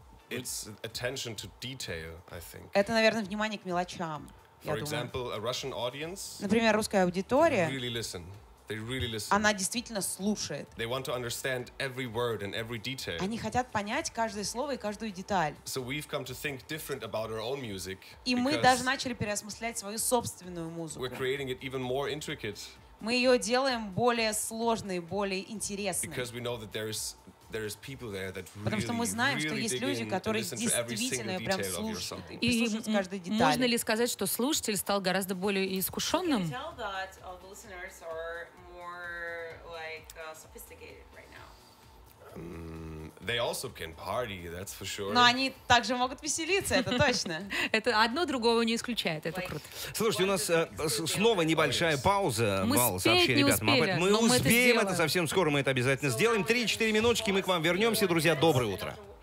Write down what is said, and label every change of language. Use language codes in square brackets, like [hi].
[en] It's attention to detail, I think. [ru] Это, наверное, внимание к мелочам. [en] For example, a Russian audience. [ru] Например, русская аудитория. [en] Really listen. They really listen. [ru] Она действительно слушает. [en] They want to understand every word and every detail. [ru] Они хотят понять каждое слово и каждую деталь. [en] So we've come to think different about our own music. [ru] И мы даже начали переосмыслять свою собственную музыку. [en] We're creating it even more intricate. [ru] Мы ее делаем более сложной, более интересной. [en] Because we know that there is people there that really, [ru] Потому что мы знаем, [en] really [ru] что есть люди, которые действительно прям слушают и прислушивают каждой детали. Можно ли сказать, что слушатель стал гораздо более искушенным? [en] They also can party, that's for sure. [ru] Но они также могут веселиться, это точно. Это одно другого не исключает, это круто. Слушайте, у нас снова небольшая пауза. Мы спеть не успели, мы успеем это совсем скоро, мы это обязательно сделаем. 3-4 минуточки, мы к вам вернемся. Друзья, доброе утро.